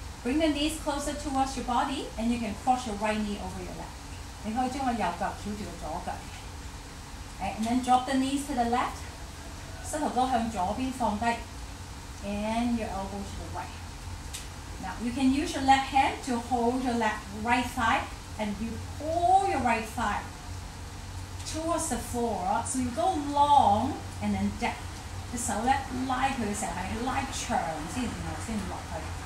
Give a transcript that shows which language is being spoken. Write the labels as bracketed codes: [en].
[en] Bring the knees closer towards your body, and you can cross your right knee over your left. [yue] 你可以將我右腳翹住個左腳. [en] Right? And then drop the knees to the left, [yue] 膝頭哥向左邊放低. [en] And your elbow to the right. Now you can use your left hand to hold your left right thigh, and you pull your right thigh towards the floor, so you go long and then down. [yue] 手拉佢嘅時候係拉長先，然後先落去.